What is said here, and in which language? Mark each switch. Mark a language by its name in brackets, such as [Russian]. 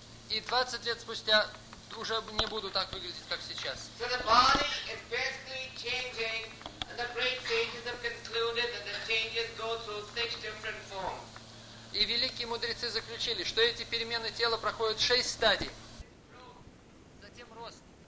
[Russian] И 20 лет спустя уже не буду так выглядеть, как сейчас. [English] So the body is basically changing, and the great sages have concluded that the changes go through six different forms. [Russian] И великие мудрецы заключили, что эти перемены тела проходят 6 стадий. Затем рост.